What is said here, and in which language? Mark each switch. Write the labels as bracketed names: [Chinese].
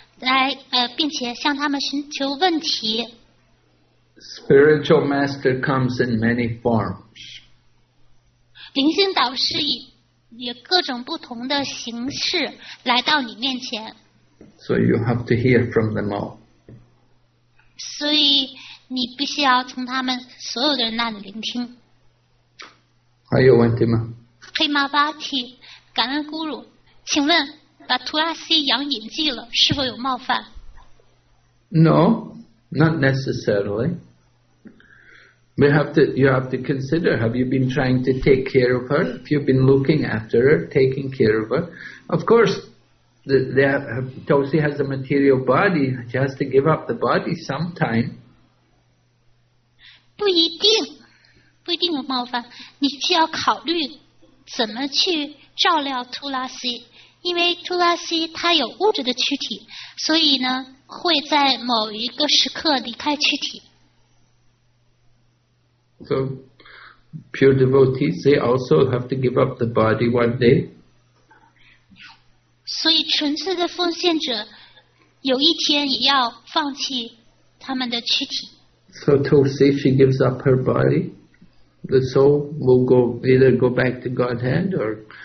[Chinese] 来，并且向他们寻求问题。 [English] Spiritual master comes in many forms. [Chinese] 灵性导师以各种不同的形式来到你面前。 [English] So you have to hear from them all. [Chinese] 所以你必须要从他们所有的人那里聆听。还有问题吗？黑马巴提，感恩guru，请问。把图拉西洋引进了，是否有冒犯 [English] ？No, not necessarily. You have to consider. Have you been trying to take care of her? If you've been looking after her, taking care of her, of course, Tosi has a material body. She has to give up the body sometime. [Chinese] 不一定，不一定有冒犯。你需要考虑怎么去照料图拉西。因为图拉西他有物质的躯体，所以呢会在某一个时刻离开躯体。 [English] So, pure devotees, they also have to give up the body one day. [Chinese] 所以纯粹的奉献者有一天也要放弃他们的躯体。 [English] So, Tosi, she gives up her body. The soul will either go back to Godhead or...